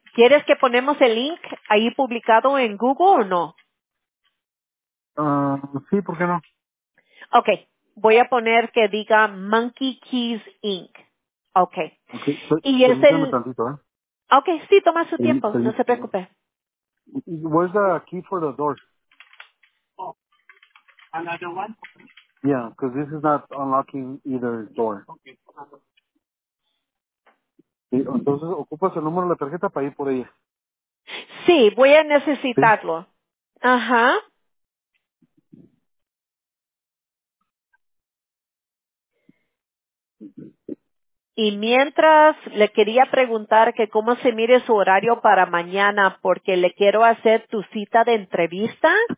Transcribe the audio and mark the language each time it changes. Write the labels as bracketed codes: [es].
[es] ¿Quieres que ponemos el link ahí publicado en Google o no? Sí, ¿por qué no? Okay, voy a poner que diga Monkey Keys Inc. Okay. Okay. Y es el... tantito, Okay, sí, toma su tiempo, no se preocupe. [en] Where's the key for the door? Another one? Yeah, because this is not unlocking either door. Okay. [es] Entonces, ¿ocupas el número de la tarjeta para ir por ella? Sí, voy a necesitarlo. ¿Sí? Ajá. Y mientras, le quería preguntar que cómo se mire su horario para mañana, porque le quiero hacer tu cita de entrevista.